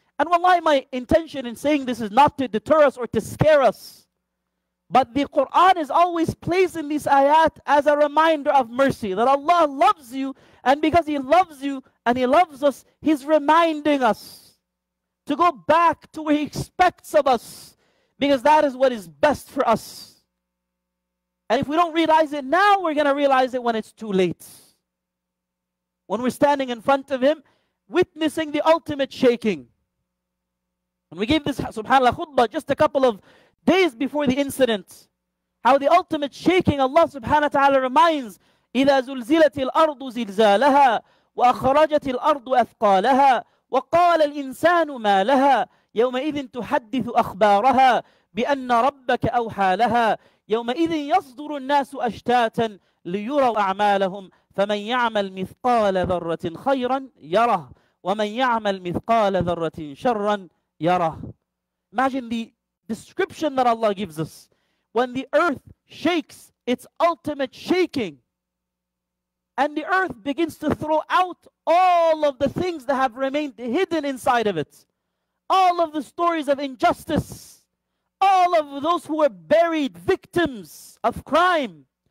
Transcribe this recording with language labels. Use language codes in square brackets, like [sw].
[en] And wallahi, my intention in saying this is not to deter us or to scare us, but the Quran is always placing these ayat as a reminder of mercy, that Allah loves you, and because He loves you and He loves us, He's reminding us to go back to what He expects of us, because that is what is best for us. And if we don't realize it now, we're going to realize it when it's too late. When we're standing in front of Him, witnessing the ultimate shaking. And we gave this subhanAllah khutbah just a couple of days before the incident, how the ultimate shaking, Allah subhanahu wa ta'ala reminds, [ar] إِذَا زُلْزِلَتِ الْأَرْضُ زِلْزَالَهَا وَأَخْرَجَتِ الْأَرْضُ أَثْقَالَهَا وَقَالَ الْإِنسَانُ مَا لَهَا يَوْمَئِذٍ تُحَدِّثُ أَخْبَارَهَا بِأَنَّ رَبَّكَ أَوْحَى لَهَا يَوْمَئِذٍ يَصْدُرُ النَّاسُ أَشْتَاتًا لِيُرَوْا أَعْمَالَهُمْ فَمَنْ يَعْمَلْ مِثْقَالَ ذَرَّةٍ خَيْرًا يَرَهُ وَمَنْ يَعْمَلْ مِثْقَالَ ذَرَّةٍ شَرًّا يَرَهُ. [en] Imagine the description that Allah gives us. When the earth shakes, its ultimate shaking, and the earth begins to throw out all of the things that have remained hidden inside of it, all of the stories of injustice, all of those who were buried victims of crime,